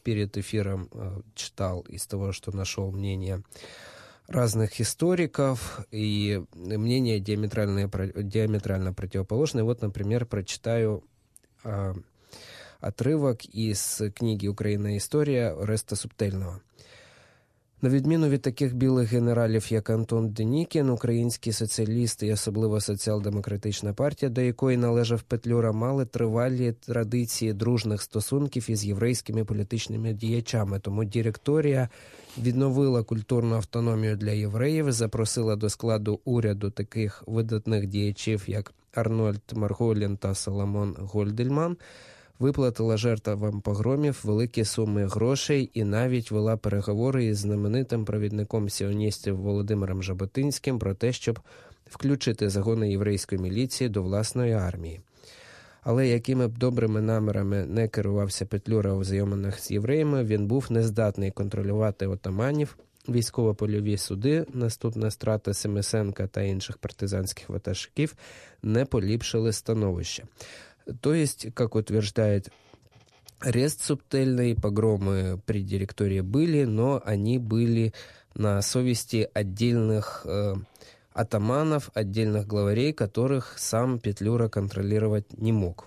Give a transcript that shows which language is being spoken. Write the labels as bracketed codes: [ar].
[ru] Перед эфиром читал из того, что нашел мнение разных историков, и мнения диаметрально противоположные. Вот, например, прочитаю отрывок из книги «Украина. История» Ореста Суптельного. [uk] На відміну від таких білих генералів, як Антон Денікін, українські соціалісти і особливо соціал-демократична партія, до якої належав Петлюра, мали тривалі традиції дружніх стосунків із єврейськими політичними діячами. Тому директорія відновила культурну автономію для євреїв, запросила до складу уряду таких видатних діячів, як Арнольд Марголін та Соломон Гольдельман, виплатила жертвам погромів великі суми грошей і навіть вела переговори із знаменитим провідником сіоністів Володимиром Жаботинським про те, щоб включити загони єврейської міліції до власної армії. Але якими б добрими намірами не керувався Петлюра у взаєминах з євреями, він був нездатний контролювати отаманів, військово-польові суди, наступна страта Семисенка та інших партизанських ватажків не поліпшили становище. [ru] То есть, как утверждает Рест Суптельный, погромы при директории были, но они были на совести отдельных атаманов, отдельных главарей, которых сам Петлюра контролировать не мог.